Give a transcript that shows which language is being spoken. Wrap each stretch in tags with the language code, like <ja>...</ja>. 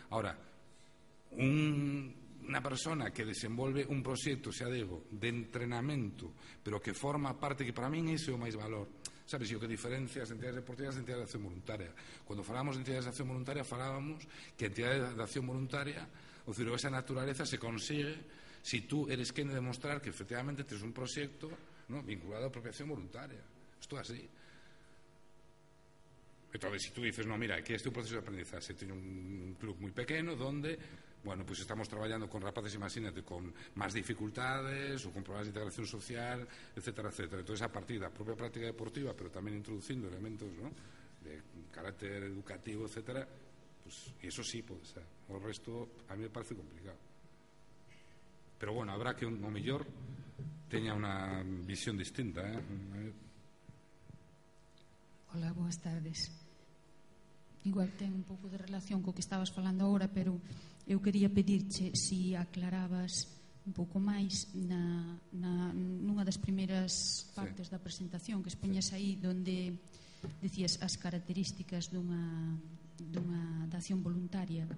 <gl>Ahora, unha persona que desenvolve un proxecto, xa digo, de entrenamento, pero que forma parte, que para min ese é o máis valor, sabes, e o que diferencia as entidades deportivas de entidades de acción voluntaria. Cando falábamos de entidades de acción voluntaria,</gl> <es>falábamos que entidades de acción voluntaria, o sea, esa naturaleza se consigue si tú eres quien de demostrar que efectivamente tienes un proyecto, ¿no?, vinculado a apropiación voluntaria. Esto así. Entonces, si tú dices, no, mira, aquí este proceso de aprendizaje, tiene un club muy pequeño donde, bueno, pues estamos trabajando con rapaces, imagínate, con más dificultades o con problemas de integración social, etcétera, etcétera. Entonces, a partir de la propia práctica deportiva, pero también introduciendo elementos, ¿no?, de carácter educativo, etcétera, pues eso sí puede ser. O resto a mí me parece complicado. Pero bueno, habrá que</es> <gl>un o mellor teña unha visión distinta, ¿eh? Hola, boas tardes. Igual ten un pouco de relación co que estabas falando agora, pero eu quería pedirche si aclarabas un pouco máis nunha das primeiras partes, sí, da presentación que expoñas, sí, aí, donde decías as características dunha acción voluntaria.</gl>